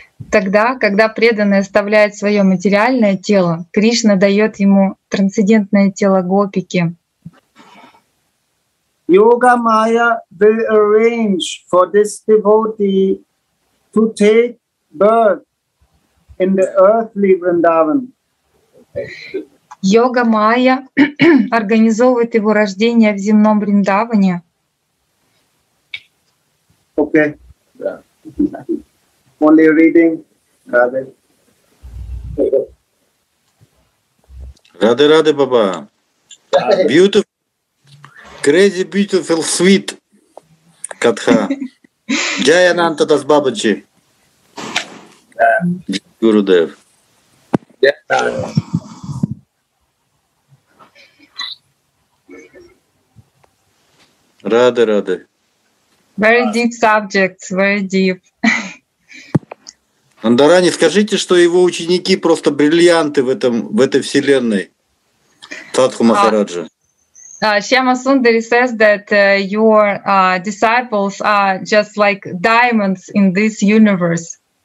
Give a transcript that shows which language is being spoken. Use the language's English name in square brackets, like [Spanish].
[Russian] Тогда, когда преданный оставляет свое материальное тело, Кришна дает ему трансцендентное тело гопики. [English] Yoga Maya will arrange for this devotee to take birth in the earthly Vrindavan. [Russian] Yoga Maya организовывает его рождение в земном Вриндаване. [English] Okay. Yeah. Only reading. Rade. Rade, Baba. Beautiful. Crazy, beautiful, sweet. Katha. Jayananta das Babaji. Gurudev. Rade, Rade. Very deep subjects, very deep. [Russian] Нандарани, скажите, что его ученики просто бриллианты в этой вселенной. Садху Махараджа. [English] Shyama Sundari says that your disciples are just like diamonds in this universe.